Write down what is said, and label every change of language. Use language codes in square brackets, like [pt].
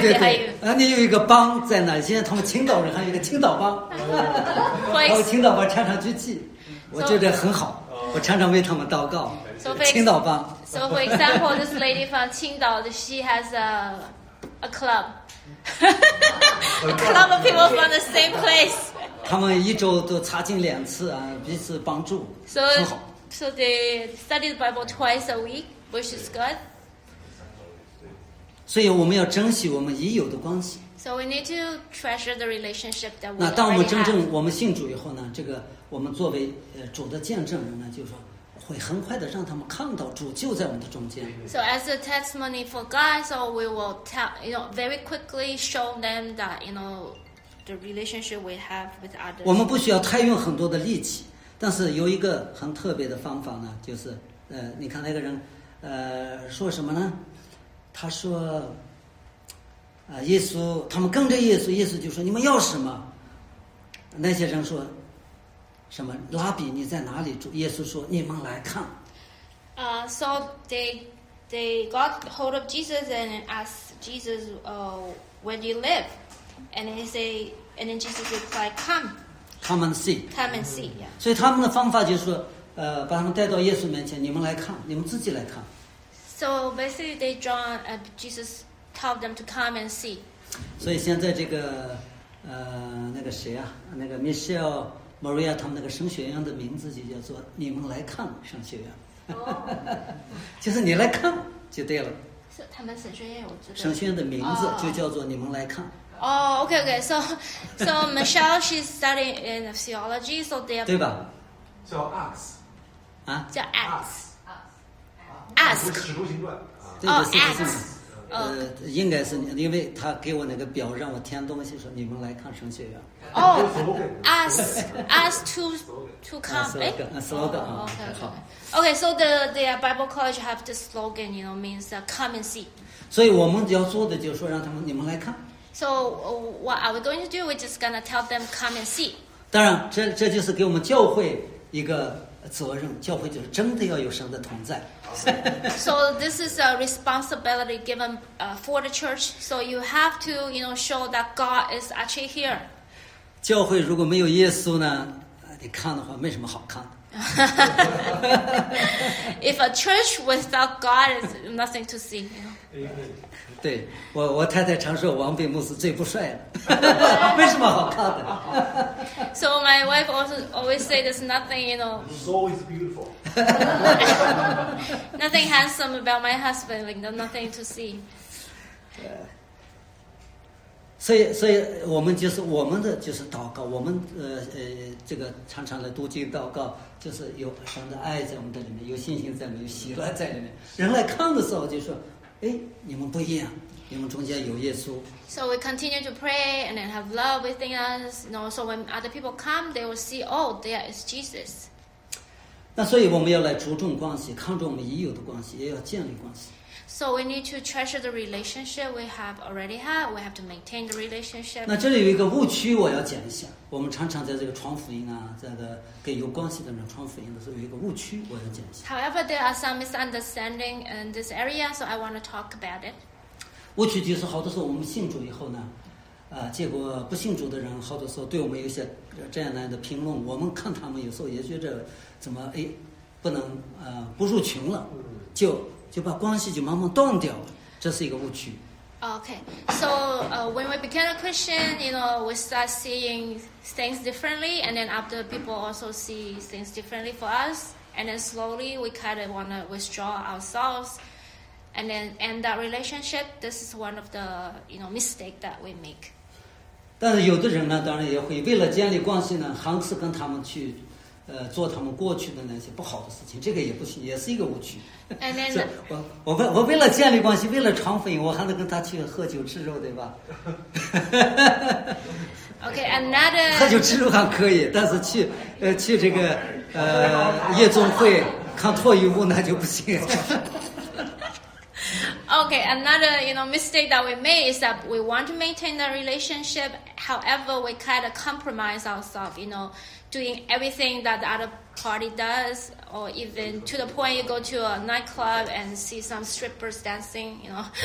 [zh] 对对对，你有一个帮在那，现在他们青岛人还有一个青岛帮，然后青岛帮常常聚集，我觉得很好，我常常为他们祷告。青岛帮。 [en] So for example, this lady from 青岛, she has a club. A club of people from the same place. [zh] 他们一周都查经两次啊，彼此帮助，很好。 [en] So they study the Bible twice a week. Which is good. [zh] 所以我们要珍惜我们已有的关系。 [en] So we need to treasure the relationship that we have. [zh] 那当我们真正我们信主以后呢，这个我们作为主的见证人呢，就是说会很快的让他们看到主就在我们的中间。 [en] So as a testimony for God, so we will tell, you know, very quickly show them that, you know, the relationship we have with others. [zh] 我们不需要太用很多的力气，但是有一个很特别的方法呢，就是你看那个人。说什么呢？他说，耶稣，他们跟着耶稣，耶稣就说：“你们要什么？” 那些人说：“什么？拉比，你在哪里住？”耶稣说：“你们来看。 [en] ”So they they got hold of Jesus and asked Jesus, where do you live? And he say, and then Jesus replied, come. Come and see. Come and see, yeah. [zh] 所以他们的方法就是说，把他们带到耶稣面前，你们来看，你们自己来看。 [en] So basically they drawn, Jesus taught them to come and see. [zh] 所以现在这个，那个谁啊，那个 Michelle Maria 他们那个神学院的名字就叫做你们来看神学院。 Oh. 就是你来看就对了。是他们神学院，我知道。神学院的名字就叫做你们来看。 [en] Oh, okay, okay. So Michelle, she's studying in theology, so they're [zh] 对吧？叫 Acts 啊？叫 Acts。 [en] Ask。 [zh] 使徒行传。哦 ，Acts。应该是因为他给我那个表让我填东西，说你们来看神学院。 [en] 哦 ，Ask to come。 Slogan 啊。 Okay, so the Bible college have the slogan, you know, means come and see. [zh] 所以我们要做的就是说让他们你们来看。 [en] So what are we going to do? We're just gonna tell them come and see. [zh] 当然，这就是给我们教会一个责任。教会就是真的要有神的同在。 [en] So this is a responsibility given for the church. So you have to, you know, show that God is actually here. [zh] 教会如果没有耶稣呢，你看的话没什么好看的。 [en] If a church without God is nothing to see, you know. [zh] 对，我太太常说王炳牧师最不帅了，没什么好看的。 [en] So my wife also always say there's nothing, you know. He's always beautiful. Nothing handsome about my husband, like nothing to see. [zh] 所以我们就是我们的就是祷告，我们这个常常的读经祷告，就是有神的爱在我们的里面，有信心在里面，有喜乐在里面。人来看的时候就说，哎，你们不一样，你们中间有耶稣。 [en] So we continue to pray and then have love within us, you know. So when other people come, they will see, oh, there is Jesus. [zh] 那所以我们要来注重关系，看重我们已有的关系，也要建立关系。 [en] So we need to treasure the relationship we have already had. We have to maintain the relationship. [zh] 那这里有一个误区，我要讲一下。我们常常在这个传福音啊，在这个跟有关系的人传福音的时候，有一个误区，我要讲一下。 [en] However, there are some misunderstanding in this area, so I want to talk about it. [zh] 误区就是好多时候我们信主以后呢，结果不信主的人好多时候对我们有些这样那样的评论，我们看他们有时候也觉得怎么哎，不能不入群了，就把关系就慢慢断掉了，这是一个误区。 [en] Okay, so when we became a Christian, you know, we start seeing things differently, and then after people also see things differently for us, and then slowly we kind of want to withdraw ourselves, and then end that relationship. This is one of the, you know, mistake that we make. [zh] 但是有的人呢，当然也会为了建立关系呢，还是跟他们去。做他们过去的那些不好的事情，这个也不行，也是一个误区。 [en] And then, [zh] 我为了建立关系，为了传福音，我还能跟他去喝酒吃肉，对吧 [en] ？Okay, another [zh] 喝酒吃肉还可以，但是去去这个夜总会看脱衣舞那就不行。 [en] Okay, another, you know, mistake that we made is that we want to maintain the relationship, however, we kind of compromise ourselves, you know. Doing everything that the other party does, or even to the point you go to a nightclub and see some strippers dancing, you know.